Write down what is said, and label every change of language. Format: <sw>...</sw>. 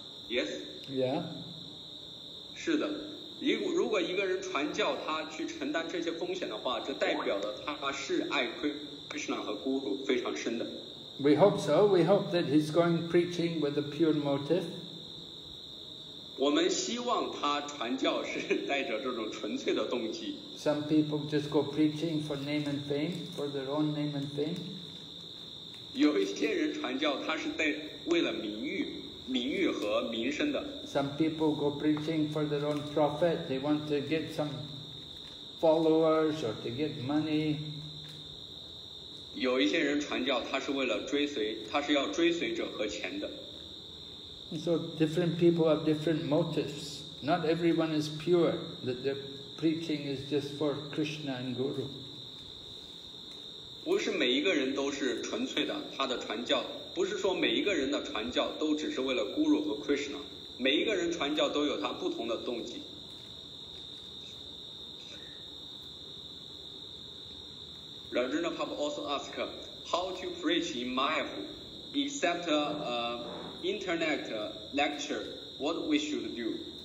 <en>Yes? Yeah.</en> <zh>是的，如果一个人传教，他去承担这些风险的话，这代表了他是爱 Krishna 和 Guru 非常深的。</zh> <en>We hope so. We hope that he's going preaching with a pure motive.</en> <zh>我们希望他传教是带着这种纯粹的动机。</zh> <en>Some people just go preaching for name and fame, for their own name and fame.</en> <zh>有一些人传教，他是为了名誉和名声的。</zh> <en>Some people go preaching for their own profit. They want to get some followers or to get money.</en> <zh>有一些人传教，他是为了追随，他是要追随者和钱的。</zh> <en>So different people have different motives. Not everyone is pure, that their preaching is just for Krishna and Guru.</en> <zh>不是每一个人都是纯粹的，他的传教，不是说每一个人的传教都只是为了 Guru 和 Krishna. 每一个人传教都有他不同的动机。</zh> <en>Rajendra Prabhu also asked, how to preach in Mayapur, except, Internet lecture, what we should do?</en>